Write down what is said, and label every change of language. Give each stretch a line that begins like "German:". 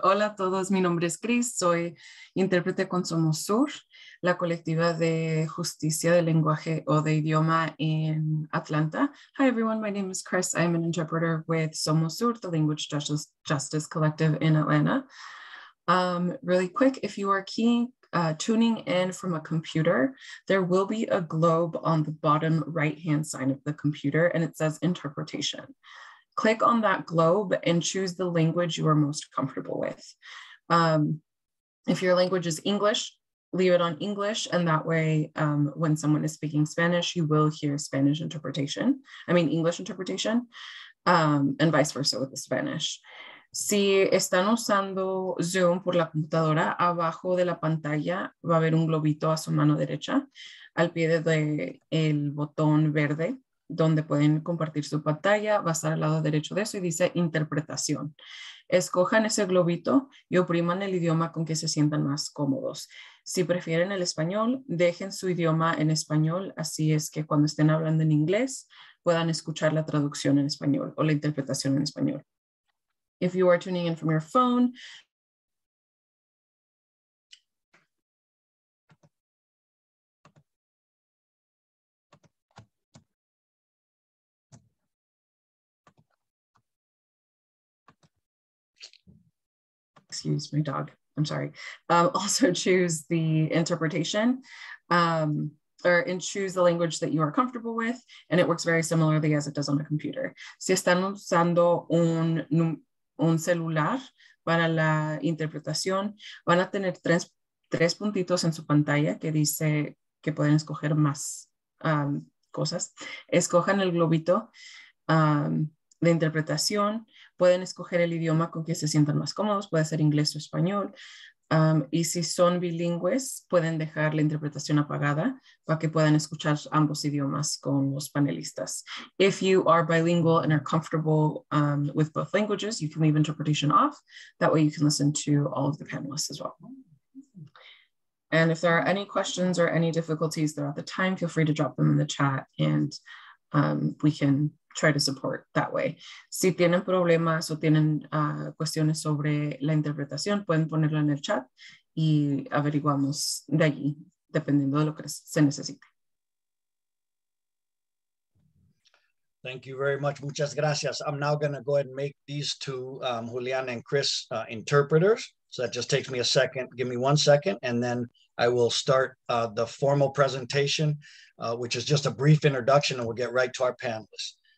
Spanish: Hola a todos, mi nombre es Chris, soy intérprete con Somos Sur, la colectiva de justicia de lenguaje o de idioma en Atlanta.
English: Hi everyone, my name is Chris, I'm an interpreter with Somos Sur, the Language Justice Collective in Atlanta. Really quick, if you are tuning in from a computer, there will be a globe on the bottom right-hand side of the computer and it says interpretation. Click on that globe and choose the language you are most comfortable with. If your language is English, leave it on English, and that way when someone is speaking Spanish, you will hear Spanish interpretation, English interpretation, and vice versa with the Spanish.
Spanish: Si están usando Zoom por la computadora, abajo de la pantalla va a haber un globito a su mano derecha, al pie del botón verde, donde pueden compartir su pantalla, va a estar al lado derecho de eso y dice interpretación. Escojan ese globito y opriman el idioma con que se sientan más cómodos. Si prefieren el español, dejen su idioma en español, así es que cuando estén hablando en inglés, puedan escuchar la traducción en español o la interpretación en español.
English: If you are tuning in from your phone. Excuse my dog, I'm sorry. Also choose the interpretation. And choose the language that you are comfortable with. And it works very similarly as it does on a computer.
Spanish: Si están usando un celular para la interpretación, van a tener tres puntitos en su pantalla que dice que pueden escoger más cosas. Escojan el globito de interpretación, pueden escoger el idioma con que se sientan más cómodos, puede ser inglés o español. Y si son bilingües, pueden dejar la interpretación apagada para que puedan escuchar ambos idiomas con los panelistas.
English: If you are bilingual and are comfortable with both languages, you can leave interpretation off. That way you can listen to all of the panelists as well. And if there are any questions or any difficulties throughout the time, feel free to drop them in the chat and we can try to support that way.
Spanish: Si tienen problemas o tienen cuestiones sobre la interpretación, pueden ponerlo en el chat y averiguamos de allí, dependiendo de lo que se necesite.
English: Thank you very much.
Spanish: Muchas gracias.
English: I'm now going to go ahead and make these two, Juliana and Chris, interpreters. So that just takes me a second. Give me one second, and then I will start the formal presentation, which is just a brief introduction, and we'll get right to our panelists.